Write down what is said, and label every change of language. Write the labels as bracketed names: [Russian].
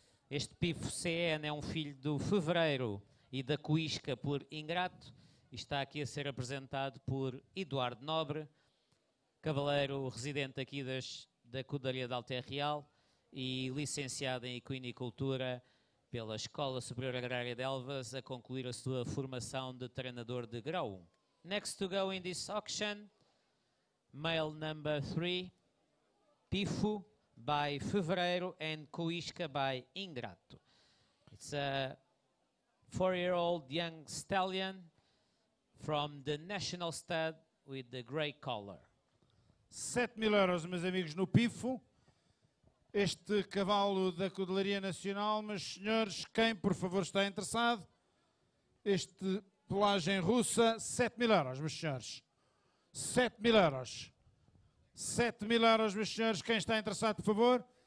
[Portuguese] Este Pifo CN é um filho do Fevereiro e da Coisca por Ingrato, e está aqui a ser apresentado por Eduardo Nobre, cavaleiro residente aqui da Cudelaria de Alter Real e licenciado em Equinicultura pela Escola Superior Agrária de Elvas, a concluir a sua formação de treinador de grau 1. [English] Next to go in this auction, male number 3, Pifo by Fevereiro and Coisca by Ingrato. It's a 4-year-old young stallion from the National Stud with the grey collar. [Portuguese] 7 mil euros, meus amigos, no Pifo. Este cavalo da Cudelaria Nacional, meus senhores, quem por favor está interessado? Este pelagem russa, 7 mil euros, meus senhores. 7 mil euros. 7 mil euros, meus senhores, quem está interessado, por favor?